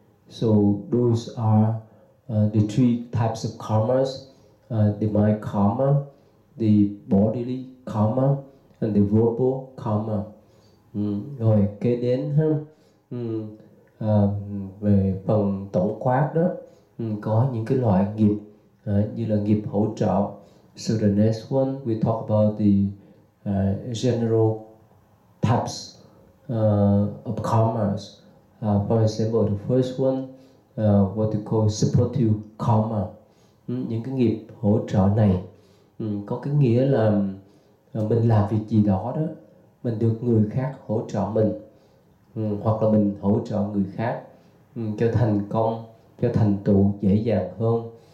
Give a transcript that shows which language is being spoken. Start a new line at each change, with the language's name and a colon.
English: So those are the three types of karmas: the mind karma, the bodily karma, and the verbal karma.
Vietnamese: Rồi kế đến ha, về phần tổng quát đó, có những cái loại nghiệp như là nghiệp hỗ trợ.
English: So the next one we talk about the general types of karmas. For example, the first one, what you call supportive karma.
Vietnamese: Những cái nghiệp hỗ trợ này có cái nghĩa là mình làm việc gì đó đó, mình được người khác hỗ trợ mình, hoặc là mình hỗ trợ người khác cho thành công, cho thành tựu dễ dàng hơn.